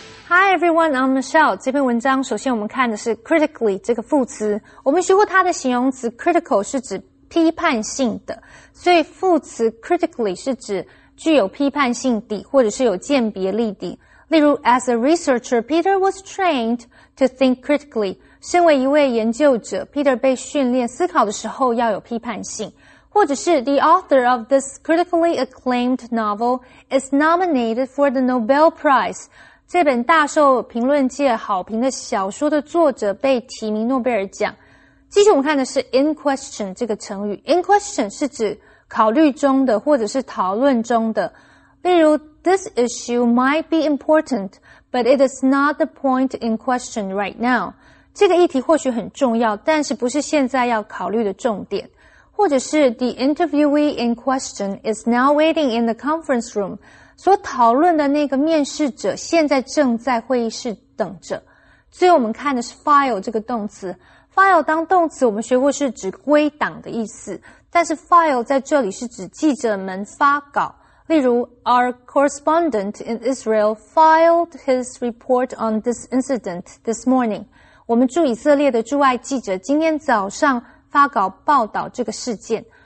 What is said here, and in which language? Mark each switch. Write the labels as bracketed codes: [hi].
[en] Hi everyone, I'm Michelle. [zh] 这篇文章首先我们看的是 critically 这个副词。我们学过它的形容词 critical 是指批判性的。所以副词 critically 是指具有批判性底或者是有鉴别力底。例如 [en] as a researcher, Peter was trained to think critically. [zh] 身为一位研究者 ,Peter 被训练思考的时候要有批判性。或者是 [en] the author of this critically acclaimed novel is nominated for the Nobel Prize. [zh] 这本大受评论界好评的小说的作者被提名诺贝尔奖。继续我们看的是 in question 这个成语。in question 是指考虑中的或者是讨论中的。例如 [en] this issue might be important, but it is not the point in question right now. [zh] 这个议题或许很重要但是不是现在要考虑的重点。或者是 [en] the interviewee in question is now waiting in the conference room. [zh] 所讨论的那个面试者现在正在会议室等着。最后我们看的是 file 这个动词。file 当动词我们学过是指归档的意思。但是 file 在这里是指记者们发稿。例如 [en] ,our correspondent in Israel filed his report on this incident this morning. [zh] 我们驻以色列的驻外记者今天早上发稿报道这个事件。